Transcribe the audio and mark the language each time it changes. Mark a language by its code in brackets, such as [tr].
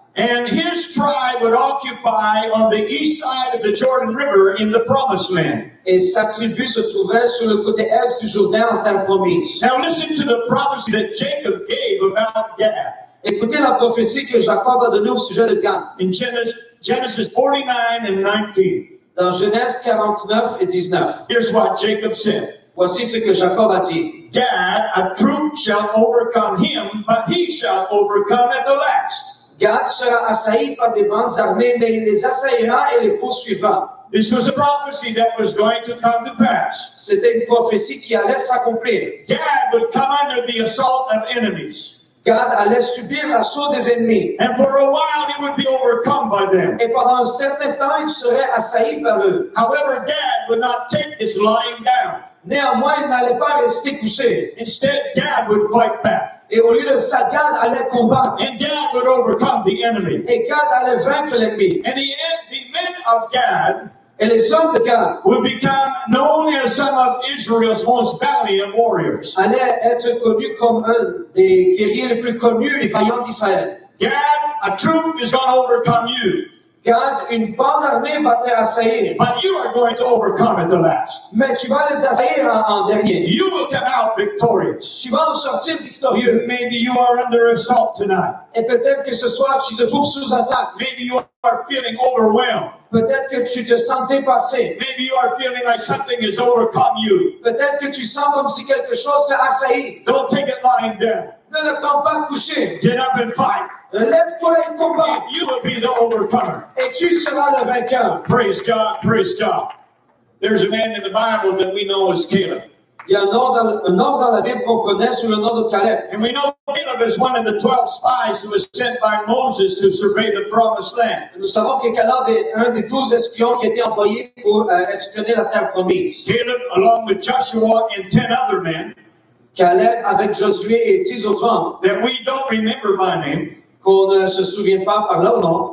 [en] And his tribe would occupy on the east side of the Jordan River in the Promised Land. [fr] Et sa tribu se trouvait sur le côté est du Jourdain en terre promise. [en] Now listen to the prophecy that Jacob gave about Gad. [fr] Écoutez la prophétie que Jacob a donnée au sujet de Gad. [en] In Genesis 49 and 19. [fr] Dans Genèse 49 et 19. [en] Here's what Jacob said. [fr] Voici ce que Jacob a dit. [en] Gad, a troop shall overcome him, but he shall overcome at the last. [fr] Gad sera assailli par des bandes armées, mais il les assaillera et les poursuivra. [en] This was a prophecy that was going to come to pass. [fr] C'était une prophétie qui allait s'accomplir. [en] Gad would come under the assault of enemies. [fr] Gad allait subir l'assaut des ennemis. [en] And for a while he would be overcome by them. [fr] Et pendant un certain temps, il serait assailli par eux. [en] However, Gad would not take this lying down. [fr] Néanmoins, il n'allait pas rester couché. [en] Instead, Gad would fight back. [fr] Et au lieu de ça, Gad allait combattre. [en] And Gad would overcome the enemy. [fr] Et Gad allait vaincre l'ennemi. [en] And the men of Gad, [fr] et les hommes de Gad [en] would become known as some of Israel's most valiant warriors. [fr] Allait être connu comme un des guerriers les plus connus et vaillants d'Israël. [en] Gad, a troop is going to overcome you. [fr] Gad, une bonne armée va te assaillir. [en] But you are going to overcome at the last. [fr] Mais tu vas les assaillir en dernier. [en] You will come out victorious. [fr] Tu vas en sortir victorieux. [en] Maybe you are under assault tonight. [fr] Et peut-être que ce soir tu te trouves sous attaque. [en] Maybe you are feeling overwhelmed. [fr] Peut-être que tu te sens dépassé. [en] Maybe you are feeling like something has overcome you. [fr] Peut-être que tu sens comme si quelque chose t'a assailli. [en] Don't take it lying down. [fr] Ne le prends pas couché. [en] Get up and fight. [fr] Lève-toi et combat. [en] You will be the overcomer. [fr] Et tu seras le vainqueur. [en] Praise God, praise God. There's a man in the Bible that we know as Caleb. [fr] Il y a un homme dans la Bible qu'on connaît sous le nom de Caleb. [en] And we know Caleb is one of the 12 spies who was sent by Moses to survey the promised land. [fr] Et nous savons que Caleb est un des 12 espions qui a été envoyé pour espionner la terre promise. [en] Caleb, along with Joshua and 10 other men, [fr] Caleb avec Josué et 10 autres hommes, [en] that we don't remember by name, [fr] qu'on ne se souvient pas par leur nom,